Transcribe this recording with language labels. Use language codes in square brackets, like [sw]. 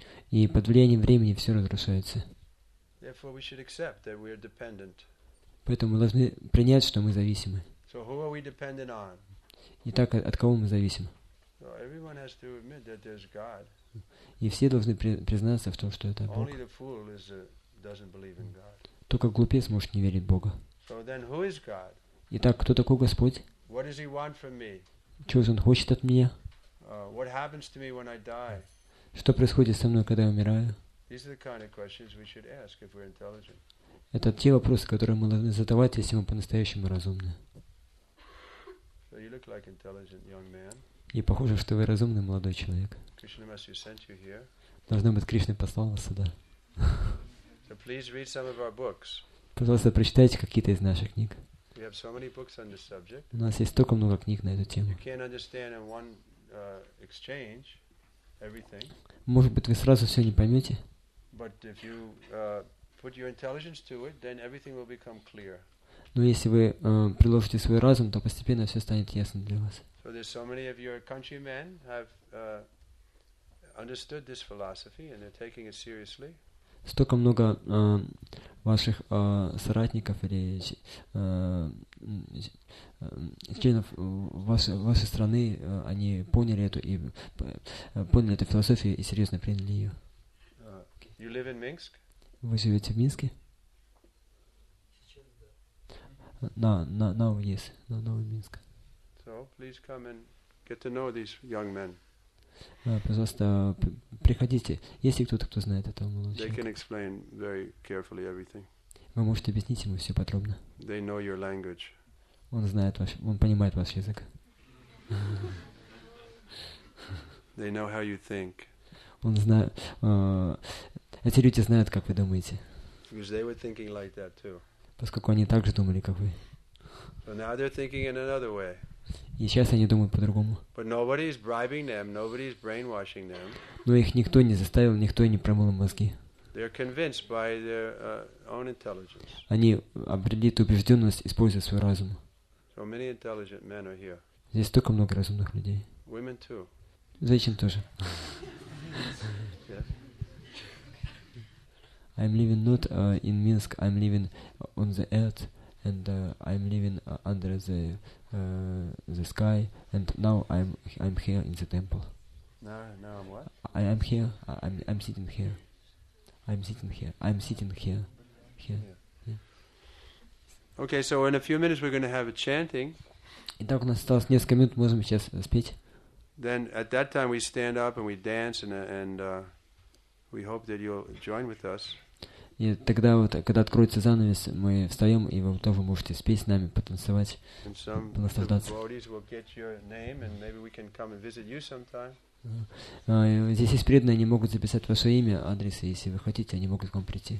[ru] И под влиянием времени все разрушается. [en] Therefore, we should accept that we are dependent. [ru] Поэтому мы должны принять, что мы зависимы. [en] So who are we dependent on? [ru] Итак, от кого мы зависим? [en] So everyone has to admit that there's God. [ru] И все должны признаться в том, что это Бог. [en] Only the fool is doesn't believe in God. [ru] Только глупец может не верить в Бога. [en] So then who is God? [ru] Итак, кто такой Господь? [en] What does He want from me? [ru] Чего же Он хочет от меня? [en] What happens to me when I die? [ru] Что происходит со мной, когда я умираю? [en] These are the kind of questions we should ask if we're intelligent. [ru] Это те вопросы, которые мы должны задавать, если мы по-настоящему разумны. [en] So you look like intelligent young man. [ru] И похоже, что вы разумный молодой человек. [en] Krishna must have sent you here. [ru] Должно быть, Кришна послал вас сюда. [en] So please read some of our books. [ru] Пожалуйста, прочитайте какие-то из наших книг. [en] We have so many books on this subject. [ru] У нас есть столько много книг на эту тему. [en] You can't understand in one exchange everything. [ru] Может быть, вы сразу все не поймете. [en] But if you put your intelligence to it, then everything will become clear. [ru] Но если вы приложите свой разум, то постепенно все станет ясно для вас. [en] So there's so many of your countrymen have understood this philosophy and they're taking it seriously. [ru] Столько много ваших соратников или членов вашей страны, они поняли эту и поняли эту философию и серьезно приняли ее. [en] You live in Minsk? [ru] Вы живете в Минске? [en] Now, yes. Now in Minsk. So, please come and get to know these young men. [ru] Пожалуйста, приходите. Если кто-то, кто знает этого молодого человека. [en] They can explain very carefully everything. [ru] Вы можете объяснить ему все подробно. [en] They know your language. [ru] Он знает ваш, он понимает ваш язык. [en] They know how you think. [ru] Он знает, эти люди знают, как вы думаете. [en] Because they were thinking like that too. [ru] Поскольку они так же думали, как вы. [en] So now they're thinking in another way. [ru] И сейчас они думают по-другому. [en] But nobody is bribing them, nobody is brainwashing them. [ru] Но их никто не заставил, никто не промыл мозги. [en] They're convinced by their own intelligence. [ru] Они обрели эту убежденность, используя свой разум. [en] So many intelligent men are here. [ru] Здесь столько много разумных людей. [en] Women too. [ru] Женщин тоже. [en] I'm living not in Minsk, I'm living on the earth, and I'm living under the sky, and now I'm here in the temple. Now I'm what? I'm here, I'm sitting here. I'm sitting here. Okay, so in a few minutes we're going to have a chanting. [ru] Итак, у нас осталось несколько минут, можем сейчас спеть. [en] Then at that time we stand up and we dance we hope that you'll join with us. [ru] И тогда вот, когда откроется занавес, мы встаем, и вы тоже можете спеть с нами, потанцевать, наслаждаться. Здесь есть преданные, они могут записать ваше имя, адрес, и если вы хотите, они могут к вам прийти.